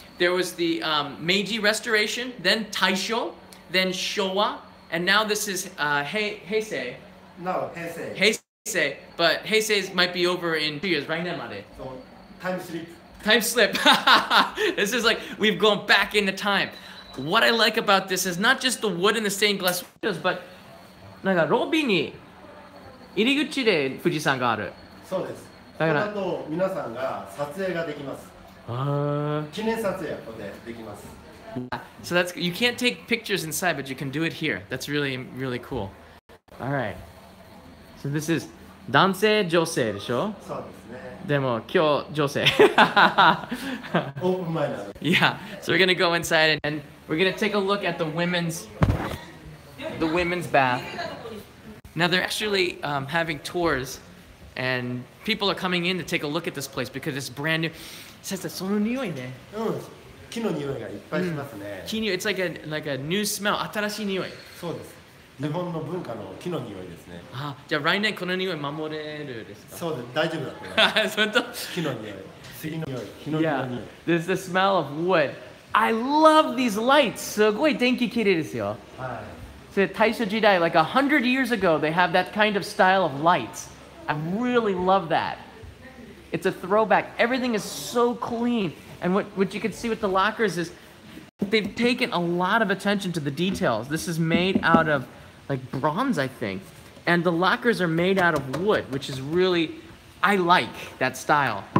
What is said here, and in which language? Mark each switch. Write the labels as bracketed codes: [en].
[en] There was the Meiji Restoration, then Taisho, then Showa, and now this is Heisei. No, Heisei. Heisei. But Heisei might be over in 2 years, right now, Made. So, time slip. Time slip. This is like we've gone back in the time. What I like about this is not just the wood and the stained glass windows, but. [ja] なんかロビーに入口で富士山がある。そうです。だからこの後皆さんが撮影ができます。記念撮影はここでできます。 [en] So that's you can't take pictures inside, but you can do it here. That's really, really cool. All right. So this is [ja] 男性女性でしょ？そうですね。でも今日女性。オープン前なの。 [en] Yeah. So we're gonna go inside and we're gonna take a look at the women's bath. Now they're actually having tours. And people are coming in to take a look at this place because it's brand new. [ja] Sensei, その匂いね。うん。木の匂いがいっぱいしますね。木匂い、 [en] it's like a new smell, [ja] 新しい匂い。そうです。日本の文化の木の匂いですね。あ、じゃあ来年この匂い守れるですか？そうです、大丈夫だと思います。本当？木の匂い、杉の匂い、木の匂い。 [en] Yeah, there's the smell of wood. I love these lights! [ja] すごい電気綺麗ですよ。はい。 [en] So, 大正時代, like 100 years ago, they have that kind of style of lights. I really love that. It's a throwback. Everything is so clean. And what you can see with the lockers is they've taken a lot of attention to the details. This is made out of like bronze, I think. And the lockers are made out of wood, which is really, I like that style.